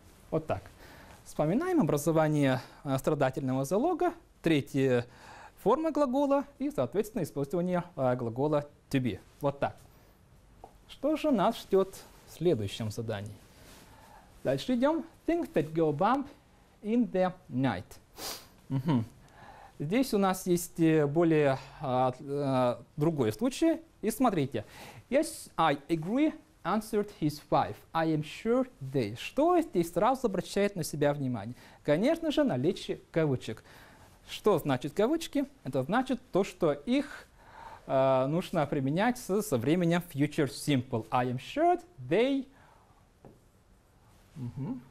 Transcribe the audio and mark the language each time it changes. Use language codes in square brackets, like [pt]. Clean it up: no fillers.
[ru] Вот так. Вспоминаем образование страдательного залога, третья форма глагола и, соответственно, использование глагола to be. Вот так. Что же нас ждет в следующем задании? Дальше идем. [en] Things that go bump in the night. [ru] Угу. Здесь у нас есть более другой случай. И смотрите. [en] Yes, I agree, answered his wife. I am sure they. [ru] Что здесь сразу обращает на себя внимание? Конечно же, наличие кавычек. Что значит кавычки? Это значит то, что их нужно применять со временем future simple. [en] I am sure they. [ru] Угу.